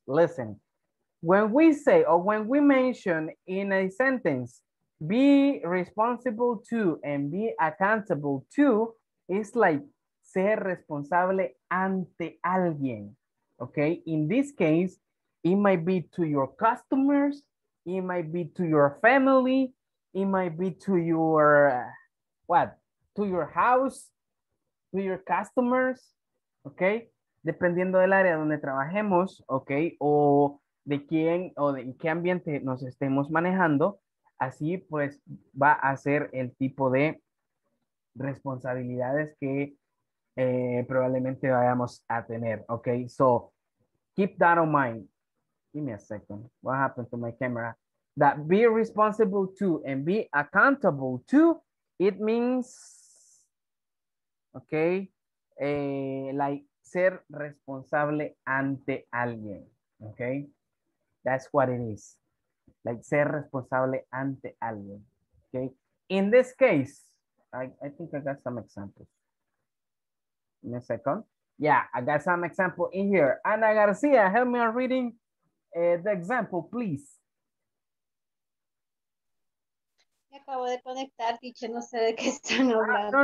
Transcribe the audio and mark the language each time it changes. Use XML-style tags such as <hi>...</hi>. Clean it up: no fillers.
<en>Listen, when we say or when we mention in a sentence, be responsible to and be accountable to, it's like</en> <es>ser responsable ante alguien,</es> <en>okay? In this case, it might be to your customers, it might be to your family, it might be to your, to your house, to your customers, okay?</en> <es>Dependiendo del área donde trabajemos, okay? O de quién o de qué ambiente nos estemos manejando, así pues va a ser el tipo de responsabilidades que probablemente vayamos a tener, okay?</es> <en>So, keep that on mind. Give me a second. What happened to my camera? That be responsible to and be accountable to, it means, okay, like</en> <es>ser responsable ante alguien,</es> <en>okay? That's what it is. Like</en> <es>ser responsable ante alguien,</es> <en>okay? In this case, I think I got some examples. In a second. Yeah, I got some example in here. Ana Garcia, help me on reading the example, please.</en> <es>Me acabo de conectar, teacher, no sé de qué están hablando.</es>